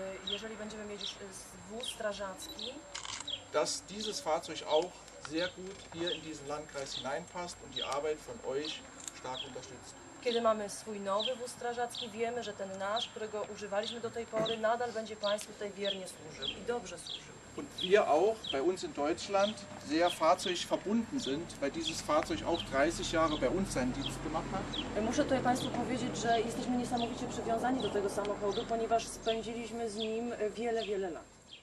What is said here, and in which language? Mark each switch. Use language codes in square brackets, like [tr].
[pl] Jeżeli będziemy mieć już wóz strażacki, [de] dass dieses Fahrzeug auch sehr gut hier in diesen Landkreis hineinpasst und die Arbeit von euch stark unterstützt. [pl] Kiedy mamy swój nowy wóz strażacki, wiemy, że ten nasz, którego używaliśmy do tej pory, nadal będzie państwu tutaj wiernie służył i dobrze służył. [de] Und wir auch bei uns in Deutschland sehr fahrzeugverbunden sind, weil dieses Fahrzeug auch 30 Jahre bei uns seinen Dienst gemacht hat. [pl] Muszę tutaj państwu powiedzieć, że jesteśmy niesamowicie przywiązani do tego samochodu, ponieważ spędziliśmy z nim wiele, wiele lat.